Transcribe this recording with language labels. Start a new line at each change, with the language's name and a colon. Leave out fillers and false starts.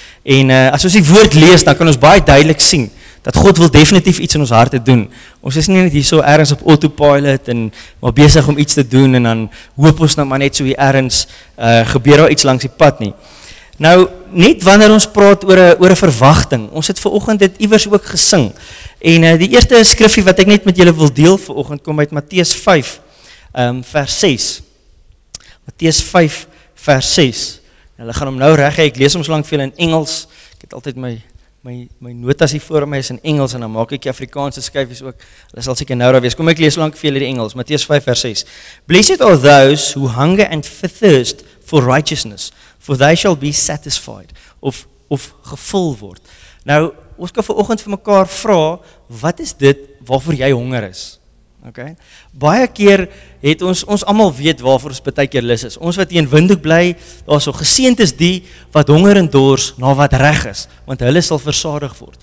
Afrikaans: En as ons die woord lees, dan kan ons baie duidelik sien dat God wil definitief iets in ons harte doen. Ons is nie net hier so ergens op autopilot en maar besig om iets te doen en dan hoop ons nou maar net so hier ergens gebeur daar iets langs die pad nie. Nou, net wanneer ons praat oor 'n verwagting, ons het vanoggend dit iewers ook gesing. En die eerste skriffie wat ek net met julle wil deel vanoggend kom uit Matteus 5 vers 6. Matteus 5 vers 6. Hulle gaan hom nou reg hê. Ek lees hom so lank vir julle in Engels. Ek het altyd my notas hier voor my is in Engels en dan maak ek die Afrikaanse skryfies ook. Hulle sal seker nou daar wees. Kom ek lees lank vir julle die Engels. Matteus 5 vers 6.
English: Blessed are those who hunger and thirst for righteousness, for they shall be satisfied
Afrikaans: of gevul word. Nou, ons kan vanoggend vir mekaar vra, wat is dit waarvoor jy honger is? Okay? Baie keer het ons almal weet waarvoor ons baie keer lus is. Ons wat hier in Windhoek bly, daar sou geseend is die wat honger en dors na wat reg is, want hulle sal versadig word.